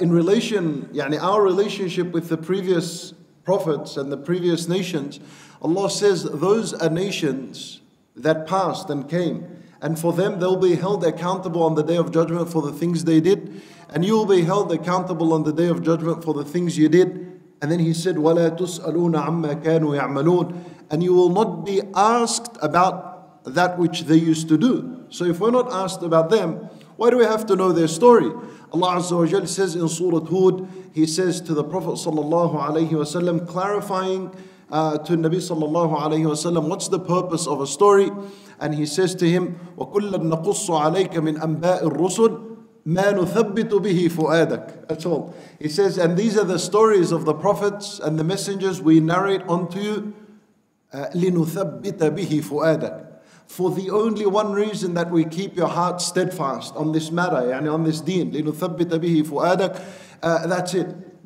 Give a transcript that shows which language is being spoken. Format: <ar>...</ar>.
<en>In relation, يعني, our relationship with the previous prophets and the previous nations, Allah says, those are nations that passed and came. And for them, they'll be held accountable on the Day of Judgment for the things they did. And you'll be held accountable on the Day of Judgment for the things you did.</en> <ar>And then He said, وَلَا تُسْأَلُونَ عَمَّا كَانُوا يَعْمَلُونَ.</ar> <en>And you will not be asked about that which they used to do. So if we're not asked about them, why do we have to know their story? Allah Azza wa Jal says in Surah Hud, He says to the Prophet sallallahu alayhi wa sallam, clarifying to Nabi sallallahu alayhi wa sallam, what's the purpose of a story? And he says to him,</en> <ar>وَكُلَّا نَقُصُّ عَلَيْكَ مِنْ أَنْبَاءِ الرُّسُلِ مَا نُثَبِّتُ بِهِ فُؤَادَكَ.</ar> <en>That's all. He says, and these are the stories of the prophets and the messengers we narrate unto you,</en> <ar>لِنُثَبِّتَ بِهِ فُؤَادَكَ.</ar> <en>For the only one reason that we keep your heart steadfast on this matter, يعني on this deen,</en> <ar>لِنُثَبِّتَ بِهِ فُؤَادَكَ.</ar> <en>That's it.</en>